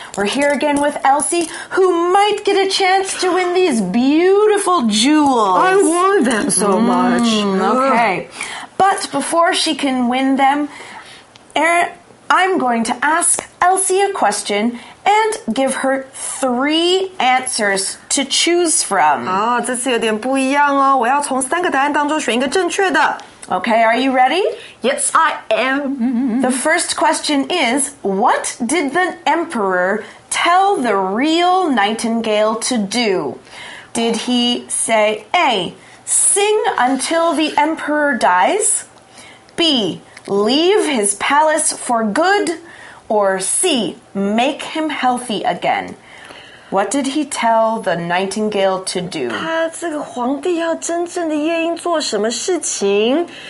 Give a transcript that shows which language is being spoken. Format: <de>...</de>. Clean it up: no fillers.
<en>We're here again with Elsie, who might get a chance to win these beautiful jewels. I want them so much. Okay. But before she can win them, Erin... I'm going to ask Elsie a question and give her three answers to choose from.</en> <zh>啊，这次有点不一样哦，我要从三个答案当中选一个正确的。</zh> <en>Okay, are you ready? Yes, I am. The first question is, what did the emperor tell the real nightingale to do? Did he say A, sing until the emperor dies? B,Leave his palace for good, or C, make him healthy again. What did he tell the nightingale to do?</en> <zh>他这个皇帝要真正的夜莺做什么事情？</zh>